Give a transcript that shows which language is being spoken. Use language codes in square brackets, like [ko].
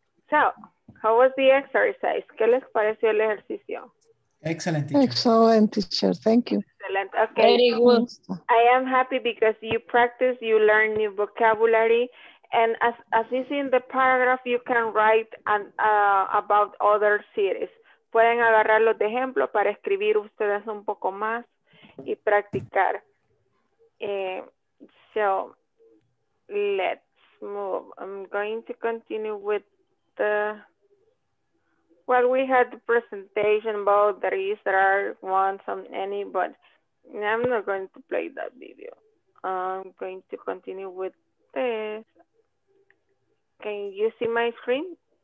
[en] So, how was the exercise? [es] ¿Qué les pareció el ejercicio? [en] Excellent, teacher. Excellent, teacher. Thank you. Excellent. Okay. Very good. I am happy because you practice, you learn new vocabulary. And as you see in the paragraph, you can write about other cities. [es] Pueden agarrarlos de ejemplo para escribir ustedes un poco más y practicar. [en] So let's move. I'm going to continue with the, well, we had the presentation about the reason there are ones on any, but I'm not going to play that video. I'm going to continue with this. Can you see my screen?